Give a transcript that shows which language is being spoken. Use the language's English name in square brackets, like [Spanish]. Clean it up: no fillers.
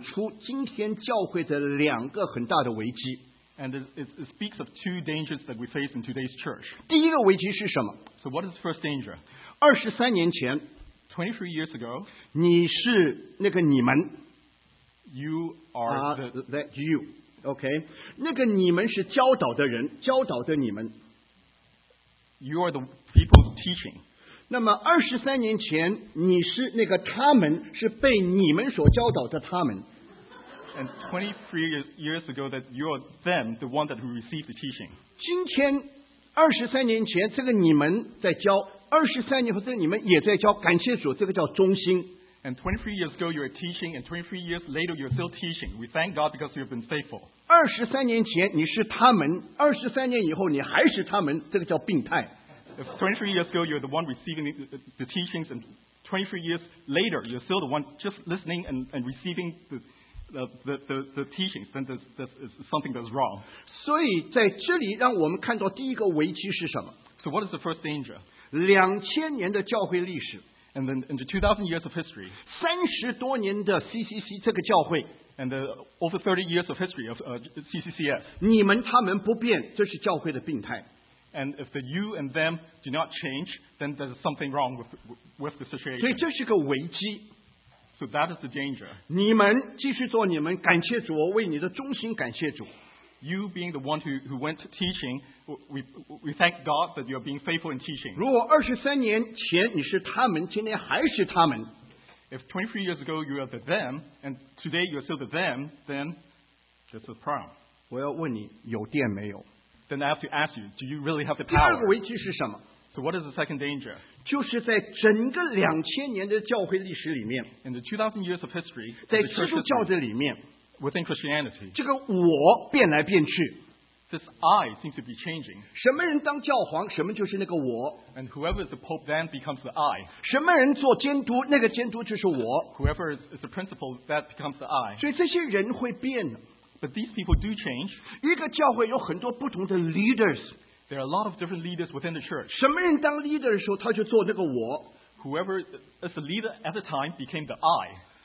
[Chinese] 这三个代名词讲出今天教会的两个很大的危机。 [English] And it speaks of two dangers that we face in today's church. [Chinese] 第一个危机是什么? [English] So what is the first danger? [Chinese] 23年前, [English] 23 years ago, [Chinese] 你是那个你们, [English] you are the, that you. [Chinese] OK, 那个你们是教导的人, 教导的你们, [English] you are the people's teaching. [Chinese] 那么23年前, 你是那个他们, 是被你们所教导的他们。 [English] And 23 years ago, that you are them, the one that received the teaching. [Chinese] 今天, 23年前, 这个你们在教, 23年后这个你们也在教, 感谢主, 这个叫中心。 [English] And 23 years ago, you were teaching, and 23 years later, you're still teaching. We thank God because you have been faithful. [Chinese] 23年前你是他们, 23年以后你还是他们, 这个叫病态。 [English] If 23 years ago, you're the one receiving the teachings, and 23 years later, you're still the one just listening and receiving the teachings, then there's something that's wrong. [Chinese] 所以在这里让我们看到第一个危机是什么? [English] So what is the first danger? [Chinese] 2000年的教会历史, [English] and then in the 2000 years of history, [Chinese] 30多年的CCC这个教会, [English] and the over 30 years of history of CCCS, [Chinese] 你们他们不变, 这是教会的病态。 [English] And if the you and them do not change, then there's something wrong with the situation. [Chinese] 所以这是个危机。 [English] So that is the danger. [Chinese] 你们继续做你们, 感谢主, 我为你的忠心感谢主。 [English] You being the one who went to teaching, we thank God that you are being faithful in teaching. [Chinese] 如果23年前你是他们, 今天还是他们, [English] if 23 years ago you are the them, and today you are still the them, then just a problem. [Chinese] 我要问你, 有电没有? [English] Then I have to ask you, do you really have the power? [Chinese] 第二个危机是什么? [English] So what is the second danger? [Chinese] 就是在整个2000年的教会历史里面, [English] in the 2000 years of history, [Chinese] 在基督教的里面, [English] within Christianity, [Chinese] 这个我变来变去, [English] this I seems to be changing. [Chinese] 什么人当教皇, 什么就是那个我, [English] and whoever is the Pope then becomes the I. [Chinese] 什么人做监督, 那个监督就是我, [English] whoever is the principal that becomes the I. [Chinese] 所以这些人会变, [English] but these people do change. [Chinese] 一个教会有很多不同的 leaders. [English] There are a lot of different leaders within the church. [Chinese] 什么人当 leader 的时候, 他就做那个我, [English] whoever is the leader at the time became the I.